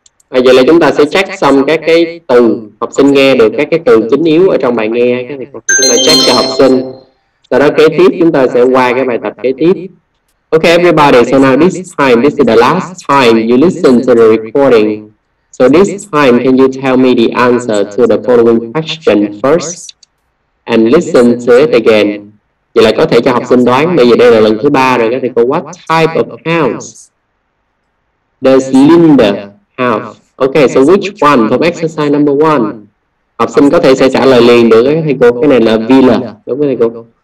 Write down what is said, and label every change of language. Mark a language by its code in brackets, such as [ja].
[vi] Bây giờ là chúng ta sẽ check xong các cái từ học sinh nghe được, các cái từ chính yếu ở trong bài nghe, cái thì chúng ta check cho học sinh. Sau đó kế tiếp chúng ta sẽ qua cái bài tập kế tiếp. [en] Okay everybody, so now this time, this is the last time you listen to the recording. So this time, can you tell me the answer to the following question first and listen to it again? [vi] Vậy là có thể cho học sinh đoán, bây giờ đây là lần thứ 3 rồi, các thầy cô. [en] What type of house does Linda have? Okay, so which one from exercise number one? [vi] Học sinh có thể sẽ trả lời liền được các thầy cô. Cái này là villa, đúng không thầy cô?